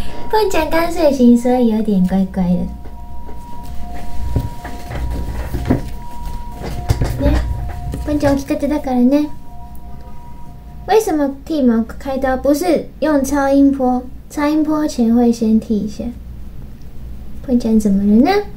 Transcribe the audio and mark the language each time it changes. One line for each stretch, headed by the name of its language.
Chinese: ポンちゃん刚睡醒，所以有点乖乖的。
Japanese: ね、ポンちゃん起きたてだからね。
Chinese: 为什么剃毛开刀不是用超音波？超音波前会先剃一下。碰见怎么了呢？